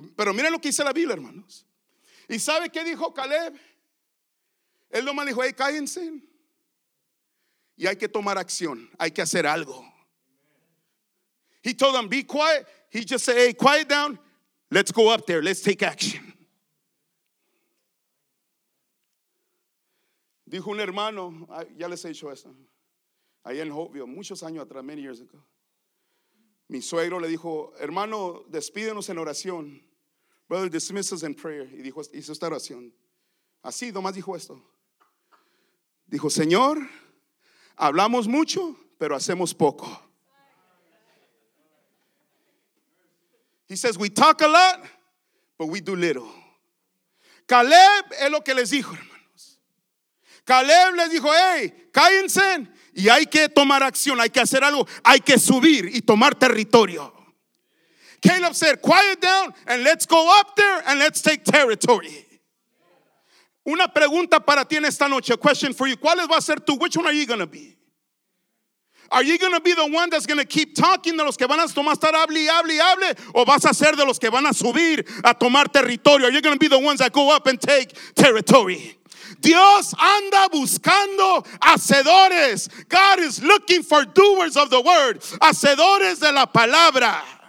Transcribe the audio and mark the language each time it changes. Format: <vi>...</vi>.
<es>Pero miren lo que dice la Biblia, hermanos. ¿Y sabe qué dijo Caleb? Él nomás dijo, hey, cállense. Y hay que tomar acción. Hay que hacer algo.</es> <en>He told them, be quiet. He just said, hey, quiet down. Let's go up there. Let's take action.</en> <es>Dijo un hermano, ya les he dicho eso, ahí en Hopeville, muchos años atrás,</es> <en>many years ago.</en> <es>Mi suegro le dijo, hermano, despídenos en oración.</es> <en>Brother, dismiss us in prayer.</en> <es>Y dijo, hizo esta oración. Así, nomás dijo esto. Dijo, Señor, hablamos mucho, pero hacemos poco.</es> <en>He says, we talk a lot, but we do little.</en> <es>Caleb es lo que les dijo, hermano. Caleb les dijo, hey, cállense y hay que tomar acción, hay que hacer algo, hay que subir y tomar territorio.</es> <en>Caleb said, quiet down and let's go up there and let's take territory.</en> <es>Una pregunta para ti en esta noche,</es> <en>a question for you.</en> <es>¿Cuál va a ser tú?</es> <en>Which one are you going to be? Are you going to be the one that's going to keep talking,</en> <es>de los que van a tomar, estar hable y hable y hable, o vas a ser de los que van a subir a tomar territorio?</es> <en>Are you going to be the ones that go up and take territory?</en> <es>Dios anda buscando hacedores.</es> <en>God is looking for doers of the word.</en> <es>Hacedores de la palabra.</es>